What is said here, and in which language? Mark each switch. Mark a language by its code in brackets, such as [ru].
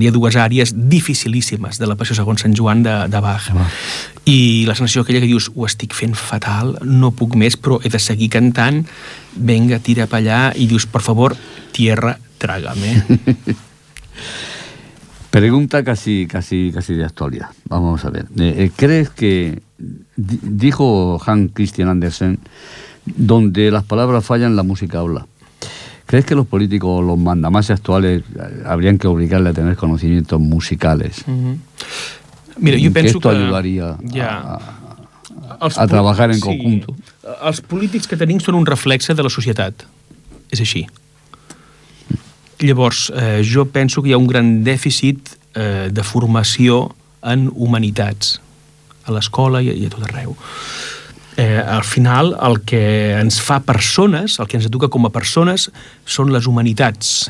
[ca] Hi ha dues àries dificilíssimes de la passió segons Sant Joan de Bach. I la sensació aquella que dius, ho estic fent fatal, no puc més, però he de seguir cantant, venga, tira pa allà, i dius, per favor, [es] tierra, trágame. Pregunta casi de actualidad. Vamos a ver. ¿Crees que, dijo Hans Christian Andersen, donde las palabras fallan, la música habla? ¿Crees que los políticos, los mandamases actuales, habrían que obligarle a tener conocimientos musicales? Uh-huh. Mira, yo pienso que esto ayudaría a trabajar en conjunto. Sí. [ca] Els polítics que tenim són un reflexe de la societat. És així. Llavors, jo penso que hi ha un gran dèficit de formació en humanitats, a l'escola i a tot arreu. Al final, el que ens fa persones, el que ens educa com a persones, són les humanitats.